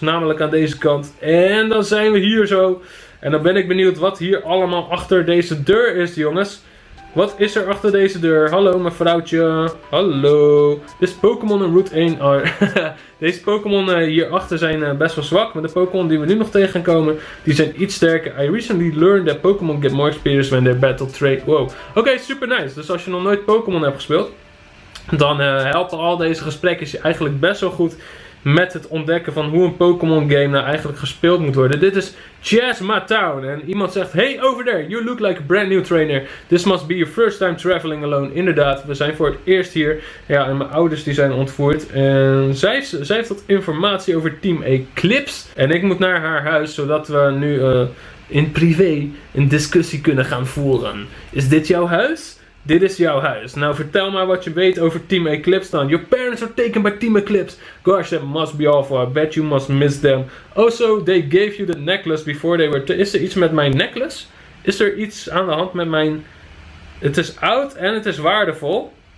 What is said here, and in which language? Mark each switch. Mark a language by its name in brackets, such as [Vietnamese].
[Dutch] Namelijk aan deze kant. En dan zijn we hier zo. En dan ben ik benieuwd wat hier allemaal achter deze deur is, jongens. Wat is er achter deze deur? Hallo, mevrouwtje. Hallo. Dit is Pokémon in Route 1. Deze Pokémon hierachter zijn best wel zwak. Maar de Pokémon die we nu nog tegen gaan komen, die zijn iets sterker. [English] I recently learned that Pokémon get more experience when they battle trade. [Dutch] Wow. Oké, super nice. Dus als je nog nooit Pokémon hebt gespeeld, dan helpen al deze gesprekken je eigenlijk best wel goed met het ontdekken van hoe een Pokémon game nou eigenlijk gespeeld moet worden. Dit is Chasma Town. En iemand zegt, [English] hey over there, you look like a brand new trainer. This must be your first time traveling alone. [Dutch] Inderdaad, we zijn voor het eerst hier. Ja, en mijn ouders die zijn ontvoerd. En zij heeft wat informatie over Team Eclipse. En ik moet naar haar huis, zodat we nu in privé een discussie kunnen gaan voeren. Is dit jouw huis? Dit is jouw huis. Nou, vertel maar wat je weet over Team Eclipse dan. [English] Your parents were taken by Team Eclipse. Gosh, that must be awful. I bet you must miss them. Also, they gave you the necklace before they were... [Dutch] Is er iets met mijn necklace? Is er iets aan de hand met mijn... Het is oud en het is waardevol.